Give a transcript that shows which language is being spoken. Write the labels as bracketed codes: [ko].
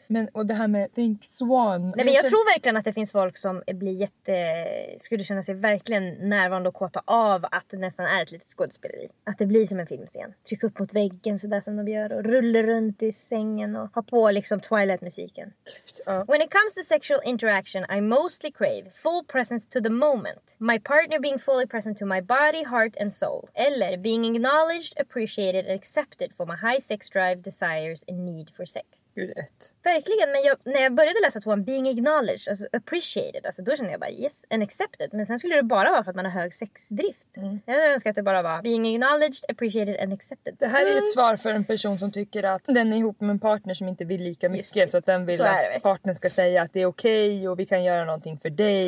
[sv] Men och det här med think swan. Nej, men jag tror verkligen att det finns folk som blir jätte, skulle känna sig verkligen närvarande och kåta av att det nästan är ett litet skådespeleri. Att det blir som en filmscen. Tryck upp mot väggen så där som de gör och rulla runt i sängen och ha på liksom Twilight-musiken. [en] When it comes to sexual interaction, I mostly crave full presence to the moment. My partner being fully present to my body, heart and soul. Eller being acknowledged, appreciated and accepted for my high sex drive, desires and need for sex. [sv] Gud, ett. Verkligen, men jag, när jag började läsa tvåan, [en] being acknowledged, [sv] alltså [en] appreciated, [sv] alltså då kände jag bara [en] yes and accepted. [sv] Men sen skulle det bara vara för att man har hög sexdrift. Mm. Jag önskar att det bara var [en] being acknowledged, appreciated and accepted. [sv] Det här är ett svar för en person som tycker att den är ihop med en partner som inte vill lika mycket, så att den vill att partnern ska säga att det är okej och vi kan göra någonting för dig.